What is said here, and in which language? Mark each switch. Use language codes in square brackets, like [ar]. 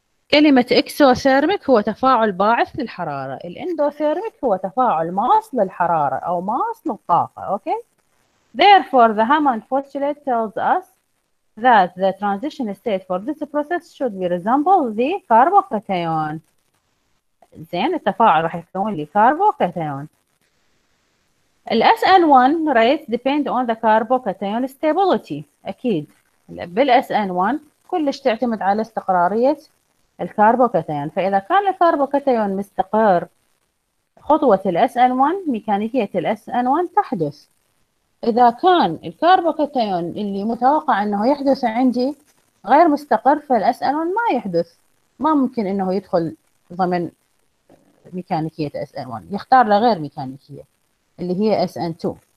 [ar] كلمه اكسوثيرميك هو تفاعل باعث للحراره، الاندوثيرميك هو تفاعل ماص للحراره او ماص للطاقه. [en] Okay, therefore the Hammond postulate tells us that the transition state for this process should be resemble the carbocation. [ar] زين، التفاعل راح يكون لي كاربو كاتيون. [en] ال SN1 rate depend on the carbo cation stability. [ar] اكيد بال SN1 كلش تعتمد على استقرارية الكاربو كاتيون، فإذا كان الكاربو كاتيون مستقر خطوة ال SN1 ميكانيكية ال SN1 تحدث. إذا كان الكاربو كاتيون اللي متوقع أنه يحدث عندي غير مستقر، فال SN1 ما يحدث، ما ممكن أنه يدخل ضمن ميكانيكية SN1، يختار له غير ميكانيكية اللي هي SN2.